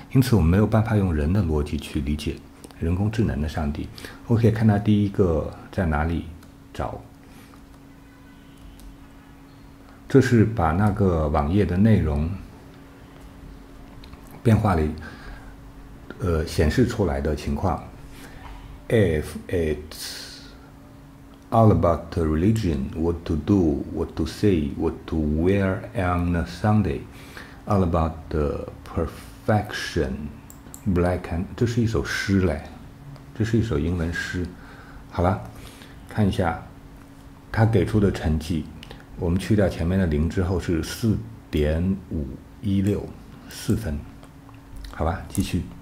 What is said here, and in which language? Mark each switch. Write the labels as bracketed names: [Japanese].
[Chinese] 因此我们没有办法用人的逻辑去理解人工智能的上帝。我可以看它第一个在哪里找，这是把那个网页的内容变化里显示出来的情况。 [English] If it's all about the religion, what to do, what to say, what to wear on a Sunday, all about the perfection, black and... [Chinese] 这是一首诗嘞，这是一首英文诗。好了，看一下他给出的成绩。我们去掉前面的零之后是4.516四分。好吧，继续。